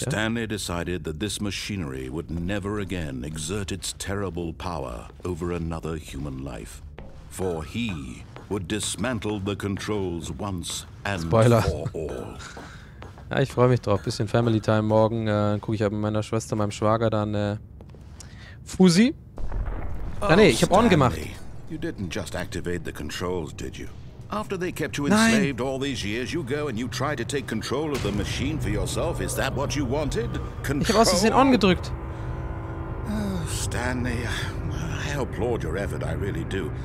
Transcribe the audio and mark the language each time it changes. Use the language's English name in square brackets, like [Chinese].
[English] Stanley decided that this machinery would never again exert its terrible power over another human life. For he would dismantle the controls once and [German] Spoiler. [English] For all. [German] Ja, ich freue mich drauf. Bisschen Family Time morgen. Gucke ich mit meiner Schwester, meinem Schwager dann Fusi. Ah, nee, ich habe On gemacht. [English] You didn't just activate the controls, did you? After they kept you enslaved all these years, you go and you try to take control of the machine for yourself. Is that what you wanted? [German] Control? Ich habe aus Versehen On gedrückt. [English] Oh, Stanley. I applaud your effort, I really do.